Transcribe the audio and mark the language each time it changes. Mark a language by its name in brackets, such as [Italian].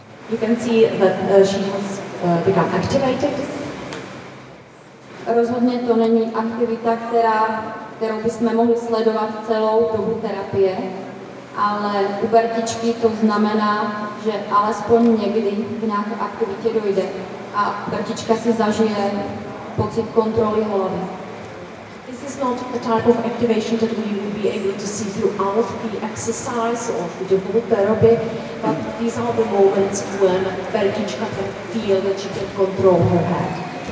[English] You can see that she has become activated. [Czech] Rozhodně to není aktivita, kterou bychom mohli sledovat celou dobu terapie. Ale u Bertičky to znamená, že alespoň někdy k nějaké aktivitě dojde a Bertička si zažije pocit kontroly hlavy. [English] This is not the type of activation that we will be able to see throughout the exercise or the whole therapy, but these are the moments when Bertička can feel that she can control her head.